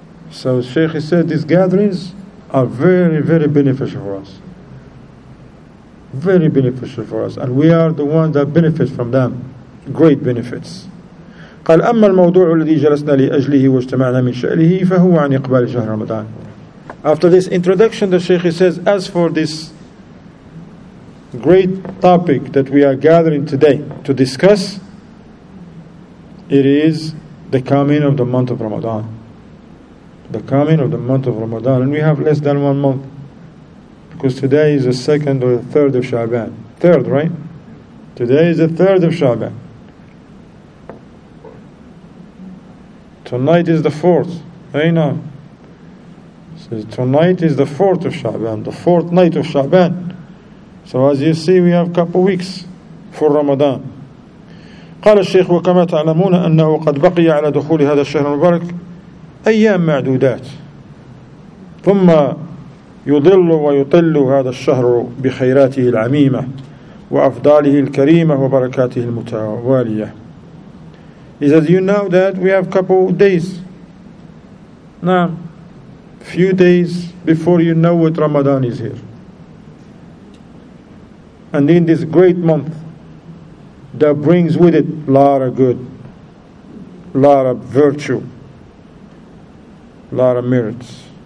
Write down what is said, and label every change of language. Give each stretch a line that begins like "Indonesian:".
English: So Shaykh said these gatherings are very, very beneficial for us. Very beneficial for us. And we are the ones that benefit from them. Great benefits.
Arabic: قال أما الموضوع الذي جلسنا لأجله واجتمعنا من شأله فهو عن إقبال شهر رمضان.
English: After this introduction, the Shaykh says, as for this great topic that we are gathering today to discuss, it is the coming of the month of Ramadan. The coming of the month of Ramadan. And we have less than 1 month, because today is the second or the third of Sha'ban. Third, right? Today is the third of Sha'ban. Tonight is the fourth. Aynan. Says tonight is the fourth of Sha'ban, the fourth night of Sha'ban. So as you see, we have a couple of weeks for Ramadan.
Arabic: قال الشيخ وكما تعلمون أنه قد بقي على دخول هذا الشهر المبارك أيام معدودات ثم يضل ويطل هذا الشهر بخيراته العميمة وأفضاله الكريمة وبركاته المتوالية.
English: He says, you know that we have a couple of days. Now, few days before you know it, Ramadan is here. And in this great month, that brings with it a lot of good, a lot of virtue, a lot of merits.